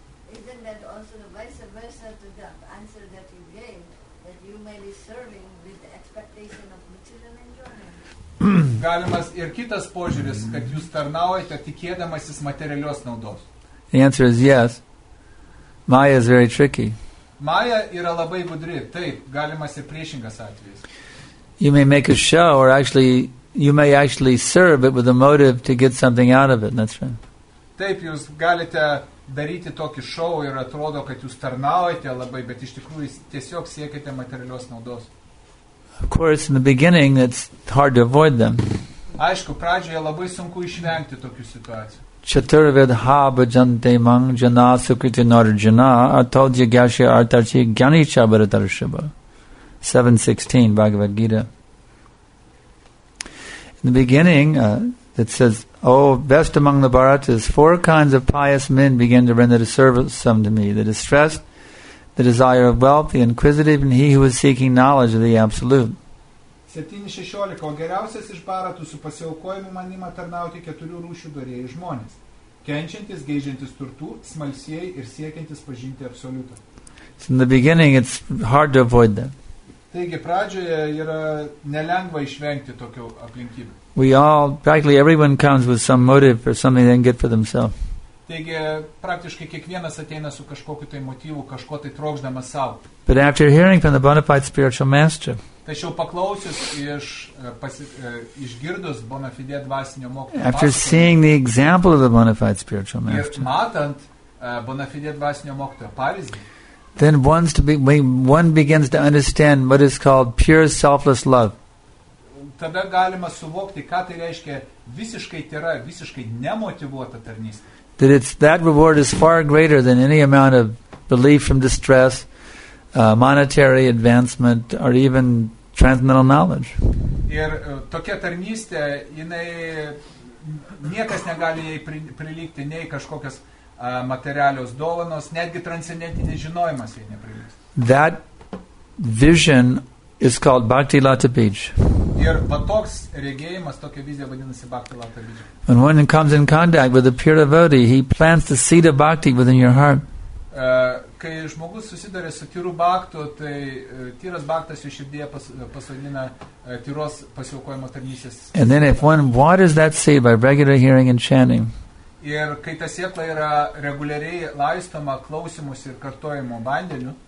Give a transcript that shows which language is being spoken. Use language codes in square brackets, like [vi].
[en] Isn't that also the vice versa to the answer that you gave, that you may be serving with the expectation of material enjoyment? [lt] Galimas ir kitas požiūris, kad jūs tarnaujate tikėdamasis materialios naudos. [en] The answer is yes. Maya is very tricky. [lt] Maya yra labai gudri. Taip, galimas ir priešingas atvejis. [en] You may make a show or actually you may actually serve it with a motive to get something out of it. That's right. [lt] Taip, jūs galite daryti tokį show ir atrodo, kad jūs tarnaujate labai, bet iš tikrųjų tiesiog siekite materialios naudos. [en] Of course, in the beginning, it's hard to avoid them. [lt] Aišku, pradžioje labai sunku išvengti tokių situacijų. [sa] Chaturvedha bhajante manjana sukriti narjana atodya gyashya artarchi gyani chabaratarshiva. [en] 7.16 Bhagavad Gita. In the beginning, it says, oh, best among the Bharatas, four kinds of pious men begin to render the service some to me. The distressed, the desire of wealth, the inquisitive, and he who is seeking knowledge of the Absolute. [lt] 7.16 O geriausias iš Bharatų su pasiaukojimu man ima tarnauti keturių rūšių darėjai žmonės. Kenčiantis, geidžiantis turtų, smalsieji ir siekiantis pažinti Absoliutą. [en] So in the beginning, it's hard to avoid them. [lt] Taigi, pradžioje yra nelengva išvengti tokio aplinkybių. [en] We all, practically everyone comes with some motive for something they can get for themselves. [lt] Taigi, praktiškai kiekvienas ateina su kažkokiu tai motyvu, kažko tai trokšdamas sau. [en] But after hearing from the bona fide spiritual master, [lt] tačiau paklausius iš, išgirdus bona fide dvasinio mokyto, [en] after seeing the example of the bona fide spiritual master, [lt] ir matant bona fide dvasinio mokyto pavyzdį, [en] then one begins to understand what is called pure selfless love. [lt] Tada galima suvokti, ką tai reiškia visiškai tyra, visiškai nemotyvuota tarnystė. [en] That it's, that reward is far greater than any amount of relief from distress, monetary advancement, or even transcendental knowledge. [lt] Ir tokia tarnystė, jinai niekas negali jai prilygti nei kažkokios materialios dovanos, netgi transcendentinis žinojimas jai neprilygs. [en] That vision is called Bhakti Lata Beach. [lt] Ir va toks regėjimas, tokia vizija vadinasi Bhakti Lata Beach. [en] When one comes in contact with a pure devotee, he plants the seed of bhakti within your heart. [lt] Kai žmogus susiduria su tyru bhaktu, tai tyras bhaktas jo širdyje pasodina tyros pasiaukojimo tarnystės. [en] And then if one waters that seed by regular hearing and chanting, [lt] ir kai ta sėkla yra reguliariai laistoma klausimus ir kartojimo vandeniu,